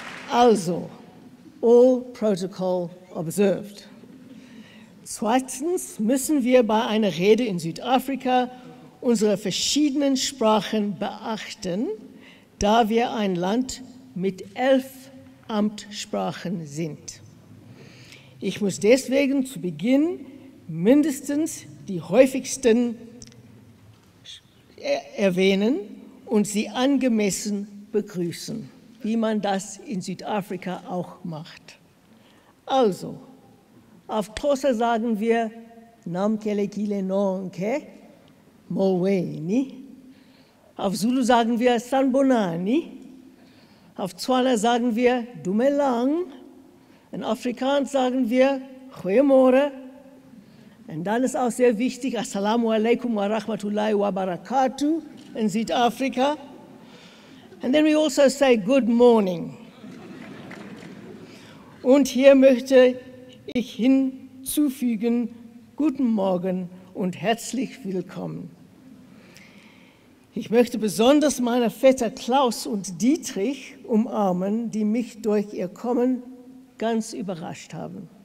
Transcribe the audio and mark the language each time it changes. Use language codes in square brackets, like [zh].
[en] Also, all protocol observed. [de] Zweitens müssen wir bei einer Rede in Südafrika unsere verschiedenen Sprachen beachten, da wir ein Land mit 11 Amtssprachen sind. Ich muss deswegen zu Beginn mindestens die häufigsten erwähnen und sie angemessen begrüßen, wie man das in Südafrika auch macht. Also, auf Xhosa sagen wir [xh] Namkelekile nonke, [de] Moweni. Auf Zulu sagen wir Sanbonani. Auf Tswana sagen wir Dumelang. In Afrikaans sagen wir Goeiemore. Und dann ist auch sehr wichtig [ar] Assalamu alaikum wa rahmatullahi wa barakatuh [de] in Südafrika. [en] And then we also say good morning. [de] Und hier möchte ich hinzufügen, guten Morgen und herzlich willkommen. Ich möchte besonders meine Vetter Klaus und Dietrich umarmen, die mich durch ihr Kommen ganz überrascht haben.